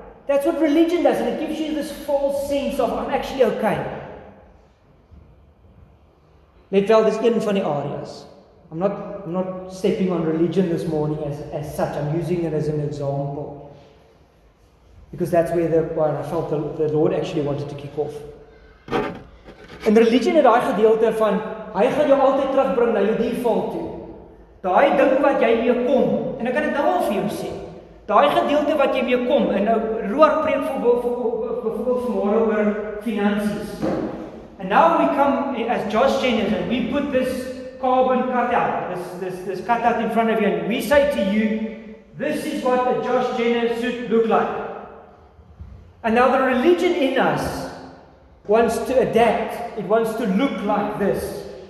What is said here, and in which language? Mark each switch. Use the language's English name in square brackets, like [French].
[English] That's what religion does, and it gives you this false sense of I'm actually okay. [Afrikaans] Let wel, dis een van die areas. [English] I'm not stepping on religion this morning as such. I'm using it as an example. Because that's where I felt the Lord actually wanted to kick off. [Afrikaans] In religion het daai gedeelte van hy gaan jou altyd terugbring na jou default toe. Daai ding wat jy mee kom, en ek kan dit nou al vir jou sê. Daai gedeelte wat jy mee kom, en nou Roar preek vir vanmôre oor finansies. [English] And now we come as Josh Jennings and we put this carbon cutout, this cutout in front of you, and we say to you, this is what the Josh Jennings suit look like. And now the religion in us wants to adapt, it wants to look like this.